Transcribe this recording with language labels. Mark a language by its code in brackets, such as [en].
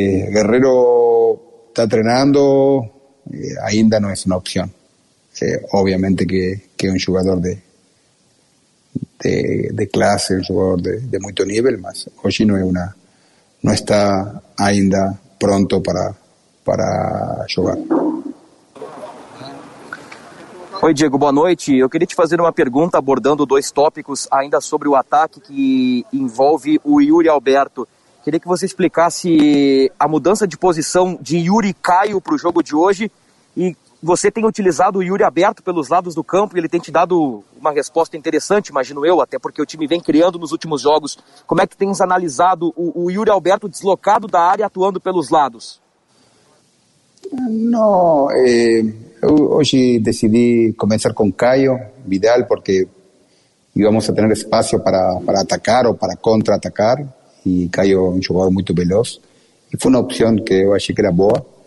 [es] Guerrero está entrenando, ainda no es una opción. Obviamente que un jugador de clase, un jugador de mucho nivel, mas hoy no está ainda pronto para jugar. [pt] Oi, Diego, boa noite. Eu queria te fazer uma pergunta abordando dois tópicos ainda sobre o ataque que envolve o Yuri Alberto. Queria que você explicasse a mudança de posição de Yuri Caio para o jogo de hoje e você tem utilizado o Yuri aberto pelos lados do campo e ele tem te dado uma resposta interessante, imagino eu, até porque o time vem criando nos últimos jogos. Como é que tens analisado o Yuri Alberto deslocado da área atuando pelos lados? [es] No, hoy decidí comenzar con Caio Vidal porque íbamos a tener espacio para atacar o para contraatacar, y Caio es un jugador muy veloz y fue una opción que yo [pt] achei que era boa.